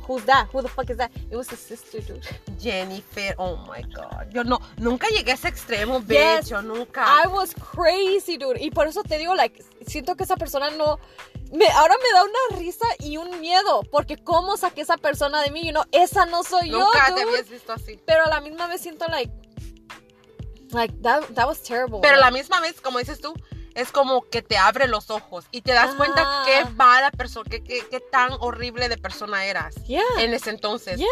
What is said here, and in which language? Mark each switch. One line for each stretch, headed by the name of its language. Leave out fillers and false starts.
English: Who's that? Who the fuck is that? It was his sister, dude.
Spanish: Jennifer,
English: oh my God.
Spanish: Yo no, nunca llegué a ese extremo, bitch, yo nunca.
English: I was crazy, dude.
Spanish: Y por eso te digo, like, siento que esa persona no... ahora me da una risa y un miedo, porque ¿cómo saqué esa persona de mí?
English: You know,
Spanish: esa no soy yo, dude. Nunca te habías visto así. Pero a la misma vez siento,
English: like that was terrible.
Spanish: Pero a la misma vez, como dices tú, es como que te abre los ojos y te das cuenta qué mala persona, qué tan horrible de persona eras en ese entonces.